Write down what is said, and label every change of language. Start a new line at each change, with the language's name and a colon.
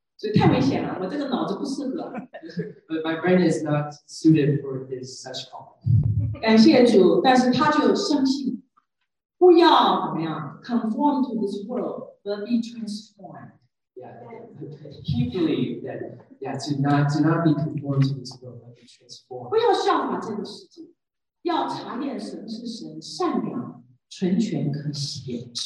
Chinese: 所以太危险了，我这个脑子不适合。
English: But my brain is not suited for this such call.
Chinese: 感谢主，但是他就相信，不要怎么样
English: conform to this world, but be transformed. Yeah, he believed that to not be conformed to this world, but be transformed.
Chinese: 不要效法这个世界，要查验神是神善良、纯全、可喜悦.